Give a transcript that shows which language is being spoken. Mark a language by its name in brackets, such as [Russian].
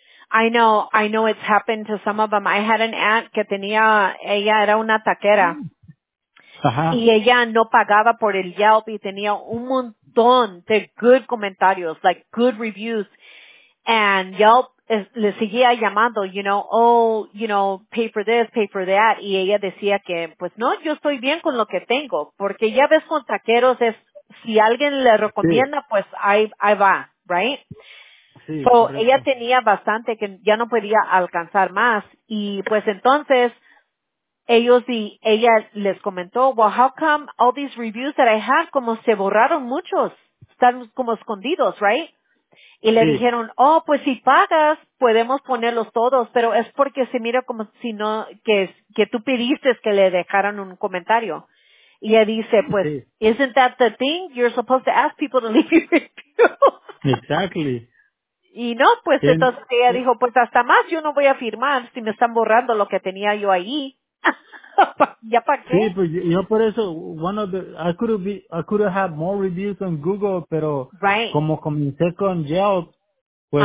[English] I know it's happened to some of them. I had an aunt [Spanish] que tenía, ella era una taquera. Uh-huh. Y ella no pagaba por el Yelp y tenía un montón de [English] good [Spanish] comentarios, [English] like good reviews. And Yelp [Spanish] le seguía llamando, [English] you know, oh, you know, pay for this, pay for that. [Spanish] Y ella decía que, pues no, yo estoy bien con lo que tengo. Porque ya ves con taqueros es, si alguien le recomienda, sí. pues ahí va, [English] right? [Spanish] Sí, [English] so, [Spanish] ella tenía bastante que ya no podía alcanzar más. Y pues entonces, ella les comentó, [English] well, how come all these reviews that I have, [Spanish] como se borraron muchos, están como escondidos, [English] right? [Spanish] Y le sí. dijeron, oh, pues si pagas, podemos ponerlos todos, pero es porque se mira como si no, que tú pidiste que le dejaran un comentario. Y ella dice, pues, sí. [English] isn't that the thing? You're supposed to ask people to leave your review. Exactly. [Spanish] Y no, pues bien. Entonces ella dijo, pues hasta más yo no voy a firmar si me están borrando lo que tenía yo ahí. ¿Ya para qué? Sí, pues yo por eso, [English] I could have had more reviews on Google, [Spanish] pero [English] right. [Spanish] como comencé con Yelp, pues